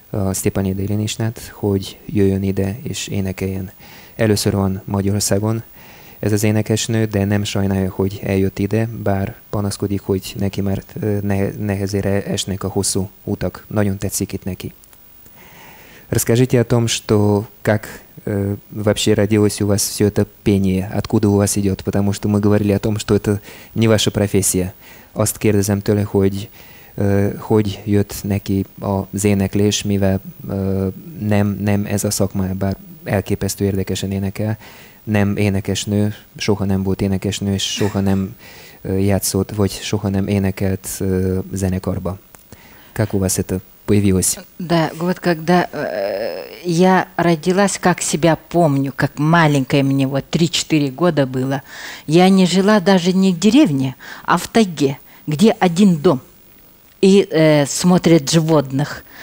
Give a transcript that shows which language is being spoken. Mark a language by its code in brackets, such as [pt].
[hu] Sztyepanyi Délinisnát, hogy jöjjön ide és énekeljen. Először van Magyarországon ez az énekesnő, de nem sajnálja, hogy eljött ide, bár panaszkodik, hogy neki már nehezére esnek a hosszú utak. Nagyon tetszik itt neki. [ru] Расскажите о том, что как вообще родилось у вас все это пение, откуда у вас идет, потому что мы говорили о том, что это не ваша профессия. [hu] Azt kérdezem tőle, hogy hogy jött neki az éneklés, mivel nem ez a szakma, bár elképesztő érdekesen énekel, nem énekesnő, soha nem volt énekesnő, és soha nem játszott, vagy soha nem énekelt zenekarba. [ru] Как у вас это появилось? Да, вот когда я родилась, как себя помню, как маленькая мне, вот 3-4 года было, я не жила даже не в деревне, а в тайге, где один дом и смотрят животных.